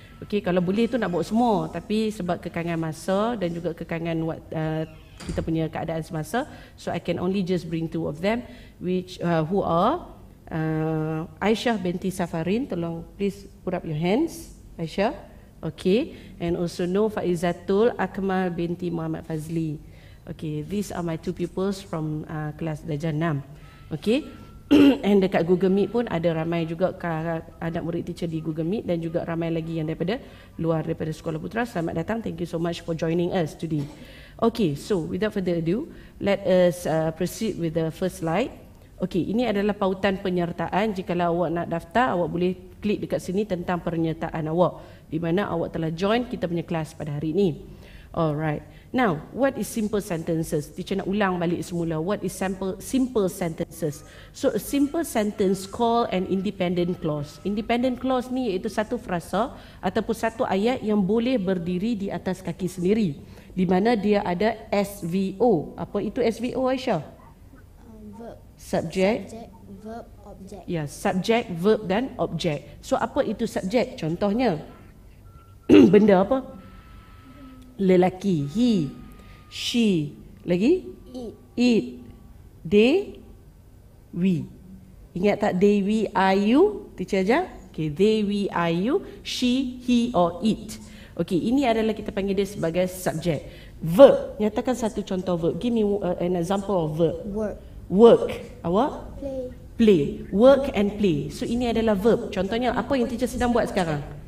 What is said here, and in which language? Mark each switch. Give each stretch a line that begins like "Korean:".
Malay: Okey, kalau boleh tu nak bawa semua tapi sebab kekangan masa dan juga kekangan kita punya keadaan semasa,
English: so I can only just bring two of them which who are
Malay: Aisyah binti Safarin.
English: Tolong please put up your hands, Aisyah. Okey, and also Noor Faizatul Akmal binti Muhammad Fazli. Okey, these are my two pupils from kelas darjah 6. Okey.
Malay: And dekat Google Meet pun ada ramai juga anak murid teacher di Google Meet dan juga ramai lagi yang daripada luar daripada Sekolah Putra. Selamat datang.
English: Thank you so much for joining us today. Okay, so without further ado, let us proceed with the first slide.
Malay: Okay, ini adalah pautan penyertaan. Jikalau awak nak daftar, awak boleh klik dekat sini tentang penyertaan awak di mana awak telah join kita punya kelas pada hari ini.
English: Alright. Now, what is simple sentences?
Malay: Teacher nak ulang balik semula.
English: What is simple sentences? So, a simple sentence called an independent clause.
Malay: Independent clause ni iaitu satu frasa ataupun satu ayat yang boleh berdiri di atas kaki sendiri. Di mana dia ada SVO. Apa itu SVO, Aisyah?
English: Subject, verb, object.
Malay: Ya, yeah, subject, verb dan object. So, apa itu subject? Contohnya, benda apa? Lelaki, he, she, lagi?
English: It, they, we.
Malay: Ingat tak
English: they, we, are you?
Malay: Teacher ajar?
English: Okay, they, we, are you, she, he or it.
Malay: Okay, ini adalah kita panggil dia sebagai subject.
English: Verb,
Malay: nyatakan satu contoh verb.
English: Give me an example of verb. Work.
Malay: Awak?
English: Play. Work and play. So,
Malay: ini adalah verb. Contohnya, apa yang teacher sedang buat sekarang?